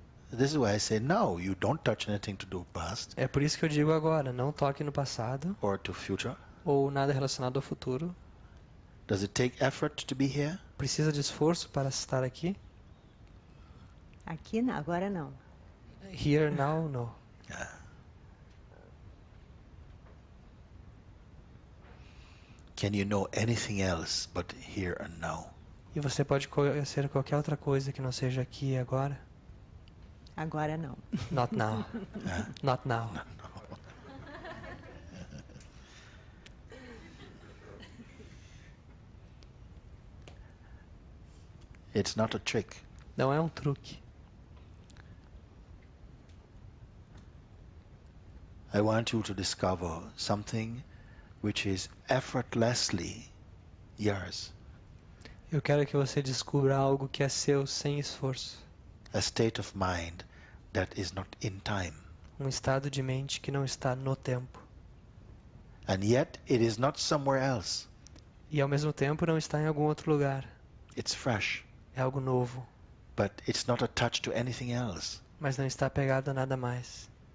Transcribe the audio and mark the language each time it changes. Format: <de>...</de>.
<en>This is why I say no, you don't touch anything to do with past.</en> <pt>É por isso que eu digo agora, não toque no passado.</pt> <en>Or to future.</en> <pt>Ou nada relacionado ao futuro.</pt> <en>Does it take effort to be here?</en> <pt>Precisa de esforço para estar aqui? Aqui não, agora não.</pt> <en>Here now, no. Can you know anything else but here and now?</en> <pt>E você pode conhecer qualquer outra coisa que não seja aqui e agora? Agora não.</pt> <en>Not now. Not now. It's not a trick.</en> <pt>Não é um truque.</pt> <en>I want you to discover something which is effortlessly yours.</en> <pt>Eu quero que você descubra algo que é seu sem esforço.</pt> <en>A state of mind that is not in time.</en> <pt>Um estado de mente que não está no tempo.</pt> <en>And yet it is not somewhere else.</en> <pt>E ao mesmo tempo não está em algum outro lugar.</pt> <en>It's fresh.</en> <pt>É algo novo.</pt> <en>But it's not attached to anything else.</en> <pt>Mas não está apegado a nada mais.</pt>